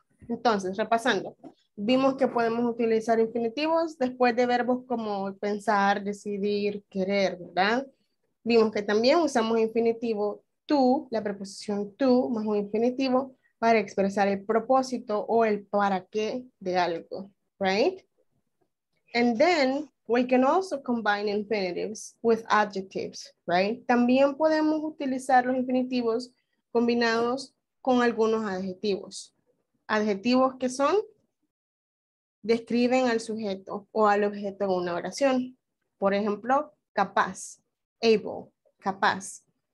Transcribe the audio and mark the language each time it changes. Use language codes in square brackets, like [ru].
[es] Entonces, repasando, vimos que podemos utilizar infinitivos después de verbos como pensar, decidir, querer, ¿verdad? Vimos que también usamos infinitivo to, la preposición to, más un infinitivo para expresar el propósito o el para qué de algo, right? [en] And then we can also combine infinitives with adjectives, right? [es] También podemos utilizar los infinitivos combinados con algunos adjetivos. Adjetivos que son, describen al sujeto o al objeto en una oración. Por ejemplo, capaz, able, capaz.